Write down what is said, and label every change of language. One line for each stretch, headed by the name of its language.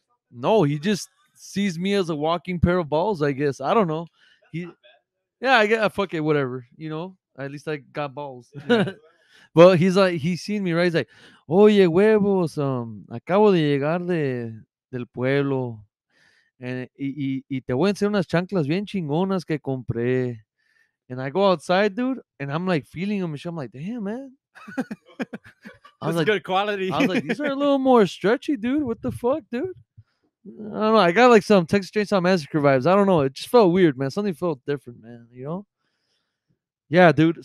English: No, he just sees me as a walking pair of balls, I guess. I don't know. I get fuck it, whatever. You know, at least I got balls. But he's like, he's seen me, right? He's like,
Spanish: oye, huevos, acabo de llegar del pueblo. Y te voy a hacer unas chanclas bien chingonas que compré.
English: And I go outside, dude, and I'm like feeling them. I'm like, damn, man. That's like, good quality. I was like, these are a little more stretchy, dude. What the fuck, dude? I don't know. I got like some Texas Chainsaw Massacre vibes. I don't know. It just felt weird, man. Something felt different, man. You know? Yeah, dude.